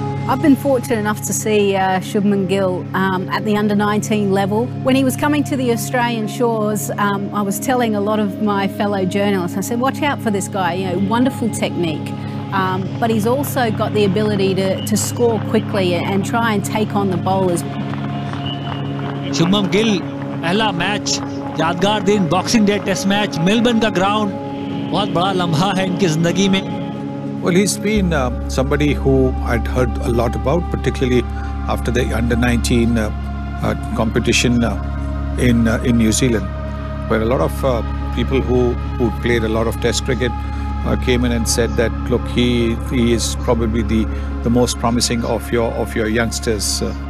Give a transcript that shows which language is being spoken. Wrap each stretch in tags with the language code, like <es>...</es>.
<en>I've been fortunate enough to see Shubman Gill at the under-19 level. When he was coming to the Australian shores, I was telling a lot of my fellow journalists, I said, watch out for this guy, you know, wonderful technique. But he's also got the ability to score quickly and try and take on the bowlers.</en> <hi>Shubman Gill, pehla match. यादगार दिन, boxing day test match, Melbourne का ground, बहुत बड़ा लम्हा है इनकी ज़िंदगी में।</hi> <en>Well, he's been somebody who I'd heard a lot about, particularly after the under-19 competition in New Zealand, where a lot of people who played a lot of test cricket came in and said that, look, he is probably the most promising of your youngsters.</en>